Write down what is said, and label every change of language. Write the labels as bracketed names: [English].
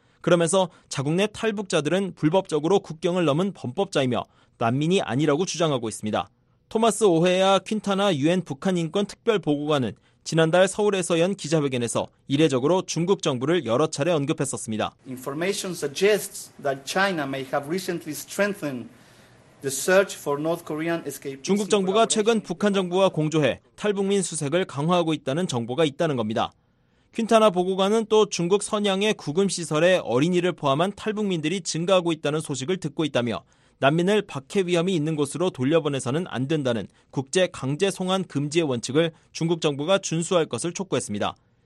[Korean] 그러면서 자국 내 탈북자들은 불법적으로 국경을 넘은 범법자이며 난민이 아니라고 주장하고 있습니다. 토마스 오헤아 퀸타나 유엔 북한인권특별보고관은 지난달 서울에서 연 기자회견에서 이례적으로 중국 정부를 여러 차례 언급했었습니다. [English] Information suggests that China may have recently strengthened the search for North Korean escape. [Korean] 중국 정부가 최근 북한 정부와 공조해 탈북민 수색을 강화하고 있다는 정보가 있다는 겁니다. 퀸타나 보고관은 또 중국 선양의 구금시설에 어린이를 포함한 탈북민들이 증가하고 있다는 소식을 듣고 있다며 난민을 박해 위험이 있는 곳으로 돌려보내서는 안 된다는 국제 강제 송환 금지의 원칙을 중국 정부가 준수할 것을 촉구했습니다.